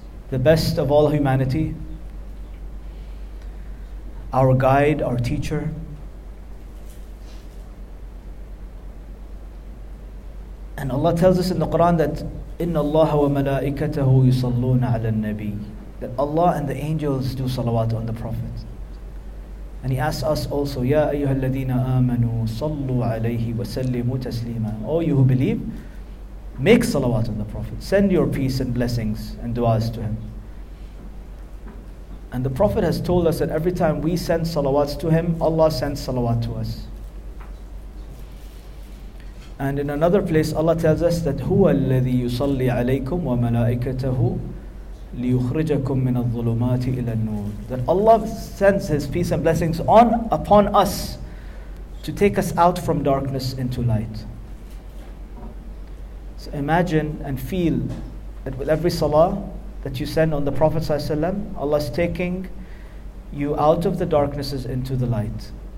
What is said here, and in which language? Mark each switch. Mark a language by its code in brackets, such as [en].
[en] The best of all humanity, our guide, our teacher. And Allah tells us in the Quran that [ar] إِنَّ اللَّهَ وَمَلَائِكَتَهُ يُصَلُّونَ عَلَى النَّبِيِّ. [en] That Allah and the angels do salawat on the Prophet. And He asks us also, [ar] يَا أَيُّهَا الَّذِينَ آمَنُوا صَلُّوا عَلَيْهِ وَسَلِّمُوا تَسْلِيمًا. [en] O you who believe, make salawat on the Prophet. Send your peace and blessings and du'as to him. And the Prophet has told us that every time we send salawats to him, Allah sends salawat to us. And in another place, Allah tells us that [ar] هو الذي يصلي عليكم وملائكته ليخرجكم من الظلمات إلى النور. [en] That Allah sends His peace and blessings upon us to take us out from darkness into light. So imagine and feel that with every salah that you send on the Prophet ﷺ, Allah is taking you out of the darknesses into the light.